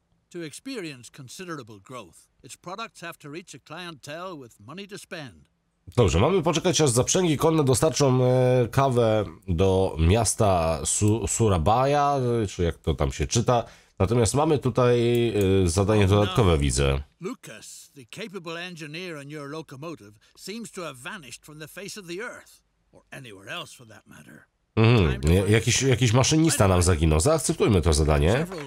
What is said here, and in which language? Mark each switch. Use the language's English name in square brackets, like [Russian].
[English] To experience considerable growth, its products have to reach a clientele with money to spend. [Polish] Dobrze, mamy poczekać, aż zaprzęgi konne dostarczą kawę do miasta Surabaya, czy jak to tam się czyta. Natomiast mamy tutaj zadanie dodatkowe, widzę. [English] Lucas, the capable engineer in your locomotive, seems to have vanished from the face of the earth, or anywhere else for that matter. [Polish] Jakiś maszynista nam zaginął. Zaakceptujmy to zadanie.